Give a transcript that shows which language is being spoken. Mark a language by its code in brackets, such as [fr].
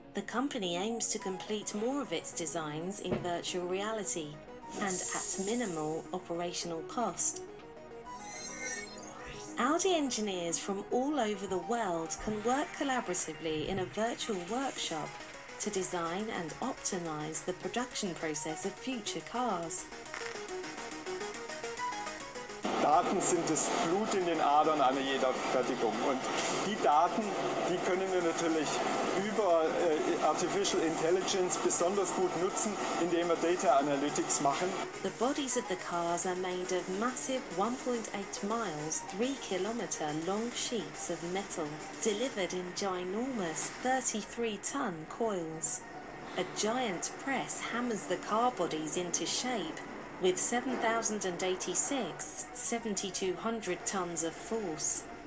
[en] The company aims to complete more of its designs in virtual reality and at minimal operational cost. Audi engineers from all over the world can work collaboratively in a virtual workshop to design and optimize the production process of future cars. [de] Daten sind das Blut in den Adern einer jeder Fertigung. Und die Daten, die können wir natürlich über Artificial Intelligence besonders gut nutzen, indem wir Data Analytics machen. [en] The bodies of the cars are made of massive 1.8 miles, 3 kilometer long sheets of metal, delivered in ginormous 33-ton coils. A giant press hammers the car bodies into shape, with 7,086, 7,200 tons of force.